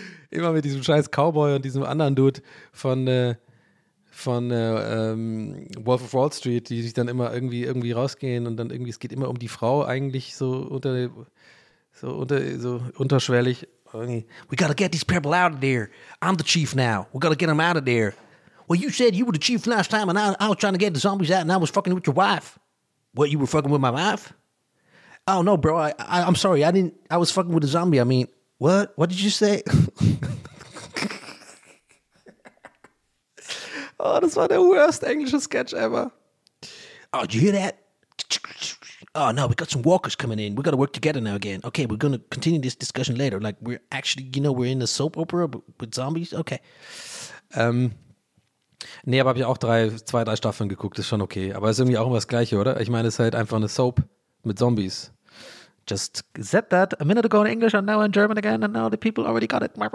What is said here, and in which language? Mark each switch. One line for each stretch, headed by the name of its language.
German: Immer mit diesem scheiß Cowboy und diesem anderen Dude von Wolf of Wall Street, die sich dann immer irgendwie rausgehen und dann irgendwie, es geht immer um die Frau eigentlich so unterschwellig.
English: We gotta get these people out of there. I'm the chief now. We gotta get them out of there. Well, you said you were the chief last time and I was trying to get the zombies out and I was fucking with your wife. What, you were fucking with my wife? Oh, no, bro, I'm sorry, I didn't, I was fucking with a zombie, I mean, what did you say?
German: Oh, das war der worst englische Sketch ever.
English: Oh, did you hear that? Oh, no, we got some walkers coming in, we gotta work together now again. Okay, we're gonna continue this discussion later, like, we're actually, you know, we're in a soap opera with zombies, okay.
German: Nee, aber habe ich auch zwei, drei Staffeln geguckt, ist schon okay. Aber es ist irgendwie auch immer das Gleiche, oder? Ich meine, es ist halt einfach eine Soap mit Zombies.
English: Just said that a minute ago in English and now in German again and now the people already got it.